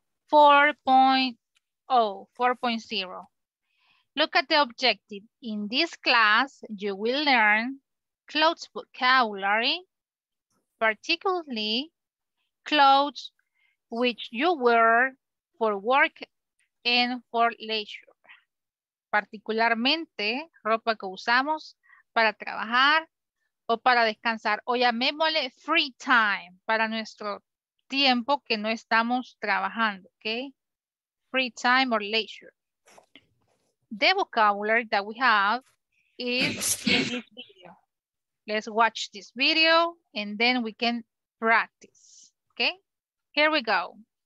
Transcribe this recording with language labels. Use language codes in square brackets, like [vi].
[en] 4.0. Look at the objective. In this class, you will learn clothes vocabulary, particularly clothes which you wear for work and for leisure. [es] Particularmente, ropa que usamos para trabajar o para descansar, o llamémosle [en] free time, [es] para nuestro tiempo que no estamos trabajando, ¿ok? [en] Free time or leisure. The vocabulary that we have is in this video. Let's watch this video and then we can practice, ¿ok? Here we go.